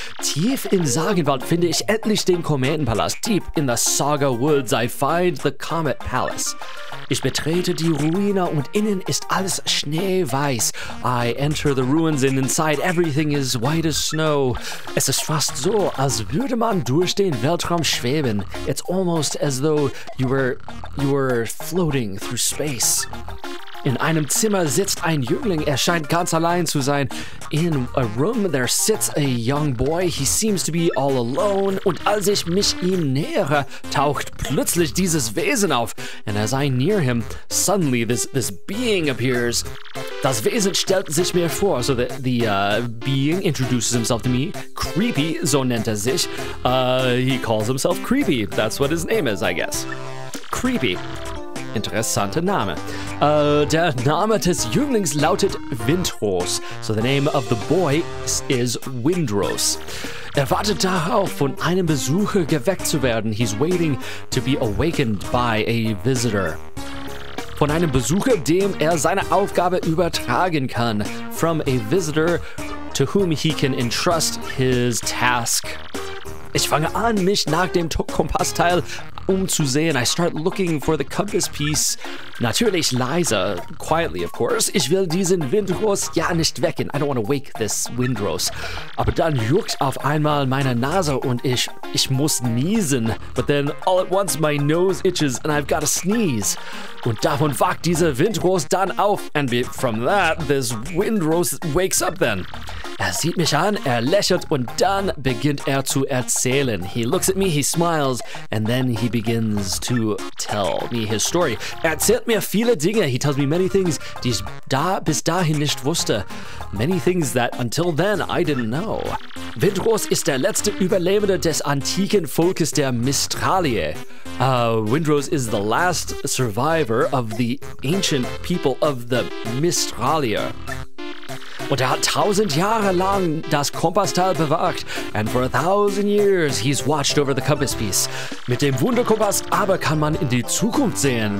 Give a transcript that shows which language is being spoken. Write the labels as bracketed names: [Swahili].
[German] Tief im Sagenwald finde ich endlich den Kometenpalast. [English] Deep in the Saga Woods, I find the Comet Palace. [German] Ich betrete die Ruine und innen ist alles schneeweiß. [English] I enter the ruins and inside everything is white as snow. [German] Es ist fast so, als würde man durch den Weltraum schweben. [English] It's almost as though you were floating through space. [German] In einem Zimmer sitzt ein Jüngling, er scheint ganz allein zu sein. [English] In a room there sits a young boy, he seems to be all alone. [German] Und als ich mich ihm nähere, taucht plötzlich dieses Wesen auf. [English] And as I near him, suddenly this being appears. [German] Das Wesen stellt sich mir vor, [English] so the being introduces himself to me. Creepy, [German] so nennt er sich. [English] He calls himself Creepy, that's what his name is, I guess. [German] Creepy. Interessanter Name. Der Name des Jünglings lautet Windros. [English] So the name of the boy is Windros. [German] Er wartet darauf, von einem Besucher geweckt zu werden. [English] He's waiting to be awakened by a visitor. [German] Von einem Besucher, dem er seine Aufgabe übertragen kann. [English] From a visitor to whom he can entrust his task. [German] Ich fange an, mich nach dem Kompassteil umzusehen. [English] I start looking for the compass piece. [German] Natürlich leise, [English] quietly, of course. [German] Ich will diesen Windros ja nicht wecken. [English] I don't want to wake this Windros. [German] Aber dann juckt auf einmal meine Nase und ich muss niesen. [English] But then all at once my nose itches and I've got to sneeze. [German] Und davon wacht dieser Windros dann auf. [English] And from that, this Windros wakes up then. [German] Er sieht mich an, er lächelt und dann beginnt er zu erzählen. [English] He looks at me, he smiles, and then he begins to tell me his story. [German] Er erzählt mir viele Dinge. [English] He tells me many things, [German] die ich bis dahin nicht wusste. [English] Many things that until then I didn't know. [German] Windros ist der letzte Überlebende des antiken Volkes der Mistralie. [English] Windros is the last survivor of the ancient people of the Mistralie. [German] Und hat tausend Jahre lang das Kompasstal bewacht. [English] And for 1,000 years, he's watched over the compass piece. [German] Mit dem Wunderkompass aber kann man in die Zukunft sehen.